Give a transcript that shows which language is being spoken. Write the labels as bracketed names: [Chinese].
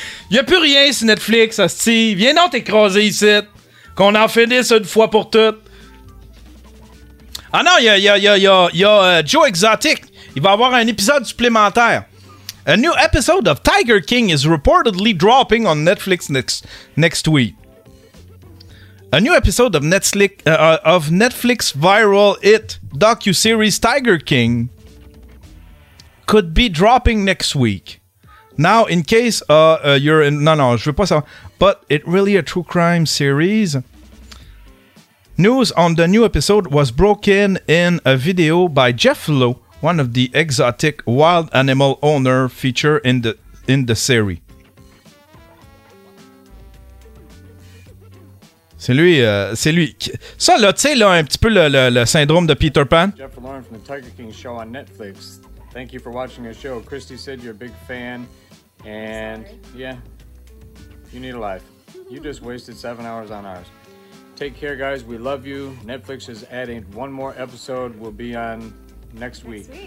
[French] Il n'y a plus rien sur Netflix, hostie. Viens donc t'écraser ici. Qu'on en finisse une fois pour toutes. Ah non, il y a Joe Exotic. Il va avoir un épisode supplémentaire. [English] A new episode of Tiger King is reportedly dropping on Netflix next week. A new episode of Netflix viral hit docu-series Tiger King could be dropping next week. Now, in case you're in... [French] Non, non, je veux pas savoir. [English] But it really a true crime series... News on the new episode was broken in a video by Jeff Lowe, one of the exotic wild animal owner featured in the series. [French] C'est lui. Ça, là, tu sais, là, un petit peu le syndrome de Peter Pan. [English] Jeff Lauren from the Tiger King show on Netflix. Thank you for watching the show. Christy said you're a big fan. And, yeah, you need a life. You just wasted 7 hours on ours. Take care, guys. We love you. Netflix is adding one more episode. We'll be on next week.